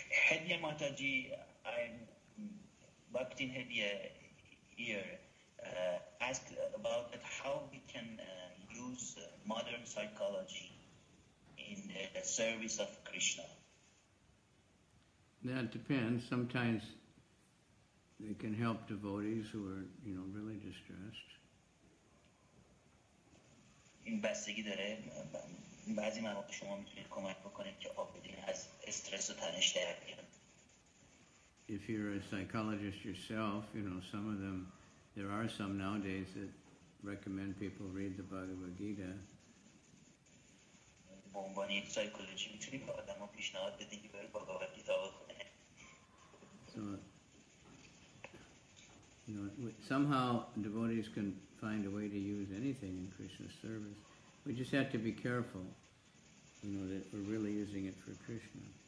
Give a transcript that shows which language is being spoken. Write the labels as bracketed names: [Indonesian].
[English] Hedya Mataji, I'm Bhakti Hedya here, asked about that how we can use modern psychology in the service of Krishna. That depends. Sometimes they can help devotees who are, you know, really distressed. [Persian] این بستگی داره. بعضی مواقع شما میتونید کمک بکنید که عابدین از استرس و تنش در بیان. [English] If you're a psychologist yourself, you know, some of them, there are some nowadays that recommend people read the Bhagavad Gita. [Persian] به عنوان یک سایکولوژی میتونید به آدم ها پیشنهاد بدید که برای Bhagavad Gita بخونه. [English] You know, somehow devotees can find a way to use anything in Krishna's service. We just have to be careful, you know, that we're really using it for Krishna.